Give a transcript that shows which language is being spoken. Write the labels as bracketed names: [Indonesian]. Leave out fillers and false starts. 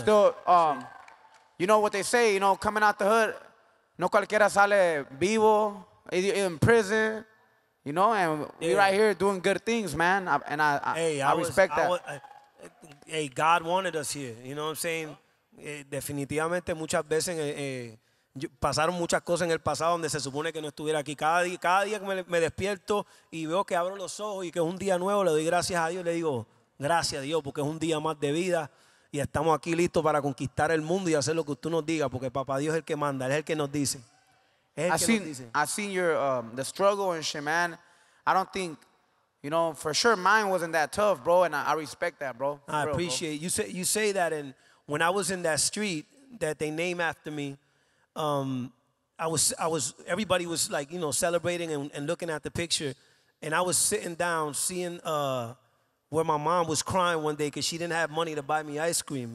[English] Still, you know what they say, you know, coming out the hood, [Spanish] no cualquiera sale vivo, [English] in prison, you know, and yeah, we right here doing good things, man. I respect that. God wanted us here, you know what I'm saying? [Spanish] Definitivamente muchas veces pasaron muchas cosas en el pasado donde se supone que no estuviera aquí. Cada día que me despierto y veo que abro los ojos y que es un día nuevo, le doy gracias a Dios, le digo, gracias a Dios, porque es un día más de vida. Y estamos aquí listos para conquistar el mundo y hacer lo que tú nos digas, porque papá Dios es el que manda, es el que nos dice. [English] I seen the struggle and shit, man. I don't think, you know, for sure mine wasn't that tough, bro, and I respect that, bro. I appreciate it. You say that, and when I was in that street that they name after me, I was everybody was like, you know, celebrating and looking at the picture, and I was sitting down seeing where my mom was crying one day because she didn't have money to buy me ice cream.